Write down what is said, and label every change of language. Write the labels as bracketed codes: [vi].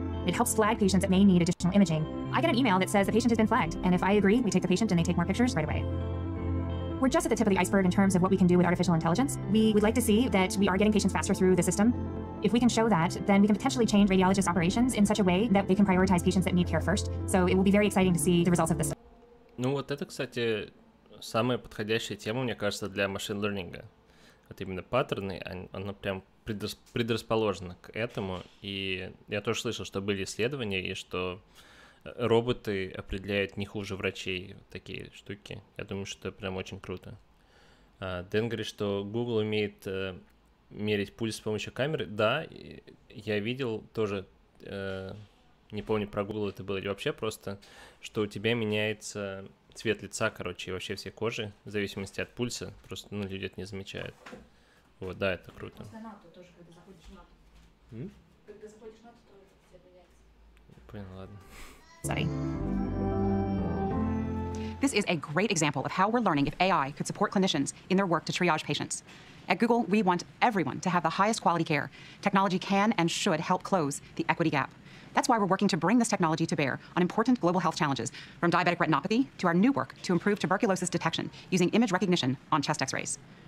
[en] It helps flag patients that may need additional imaging. I get an email that says the patient has been flagged, and if I agree, we take the patient and they take more pictures right away. We're just at the tip of the iceberg in terms of what we can do with artificial intelligence. We would like to see that we are getting patients faster through the system. If we can show that, then we can potentially change radiologists' operations in such a way that they can prioritize patients that need care first. So it will be very exciting to see the results of this. [ru] Ну вот это, кстати, самая подходящая тема, мне кажется, для машин лернинга. Вот именно паттерны, оно прям предрасположено к этому. И я тоже слышал, что были исследования, и что роботы определяют не хуже врачей вот такие штуки. Я думаю, что это прям очень круто. Дэн говорит, что Google умеет мерить пульс с помощью камеры. Да, я видел тоже, не помню про Google это было или вообще просто, что у тебя меняется цвет лица, короче, и вообще все кожи в зависимости от пульса. Просто ну, люди это не замечают. Вот, да, это круто. Просто НАТО тоже, когда заходишь в НАТО. Когда заходишь в НАТО, то цвет меняется. Понял, ладно. [en] Study. This is a great example of how we're learning if AI could support clinicians in their work to triage patients. At Google, we want everyone to have the highest quality care. Technology can and should help close the equity gap. That's why we're working to bring this technology to bear on important global health challenges, from diabetic retinopathy to our new work to improve tuberculosis detection using image recognition on chest x-rays.